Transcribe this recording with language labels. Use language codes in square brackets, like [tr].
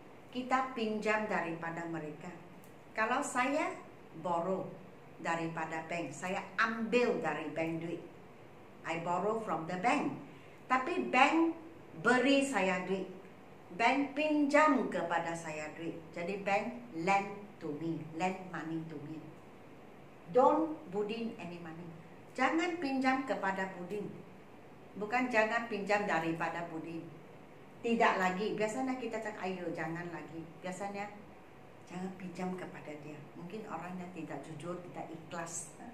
[ms] Kita pinjam daripada mereka. Kalau saya [en] borrow [ms] daripada bank, saya ambil dari bank duit. [en] I borrow from the bank. [ms] Tapi bank beri saya duit. Bank pinjam kepada saya duit. Jadi [en] bank lend to me, lend money to me. Don't budin any money. [ms] Jangan pinjam kepada budin. Bukan jangan pinjam daripada budin. Tidak lagi. Biasanya kita cakap ayo jangan lagi. Biasanya jangan pinjam kepada dia. Mungkin orangnya tidak jujur, tidak ikhlas.